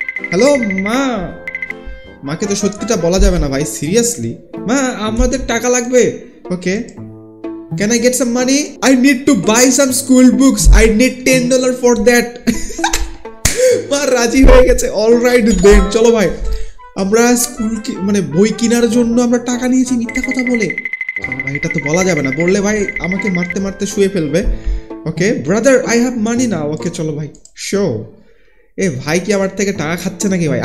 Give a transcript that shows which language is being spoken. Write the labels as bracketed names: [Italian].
[Bangla] Hello মা, মাকে তো সত্যিটা বলা যাবে না ভাই, সিরিয়াসলি মা আমাদের টাকা লাগবে। [English] Okay can I get some money? I need to buy some school books, I need $10 for that. [Bangla] মা রাজি হয়ে গেছে, [English] All right then. [Bangla] চলো ভাই আমরা স্কুল কি মানে বই কেনার জন্য আমরা টাকা নিয়েছি, মিথ্যা কথা বলে ভাই এটা তো বলা যাবে না, বললে ভাই আমাকে মারতে মারতে শুয়ে ফেলবে। [English] okay brother I have money [Bangla] না। ওকে চলো ভাই শো, এ ভাই কি আমার থেকে টাকা খাচ্ছে নাকি ভাই?